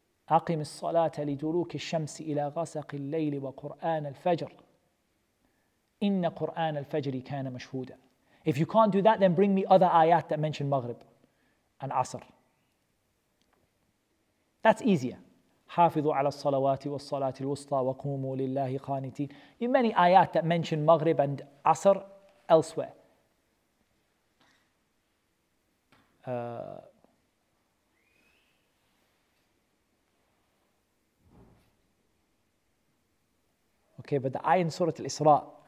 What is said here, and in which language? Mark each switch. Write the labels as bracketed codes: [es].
[ar] أقم الصلاة لدلوك الشمس إلى غسق الليل وقرآن الفجر إن قرآن الفجر كان مشهودا. [en] If you can't do that, then bring me other ayat that mention Maghrib and Asr. That's easier. [ar] حافظوا على الصلوات والصلاة الوسطى وقوموا لله قانتين. [en] You have many ayat that mention Maghrib and Asr elsewhere. Okay, but the ayah in Surah Al-Isra.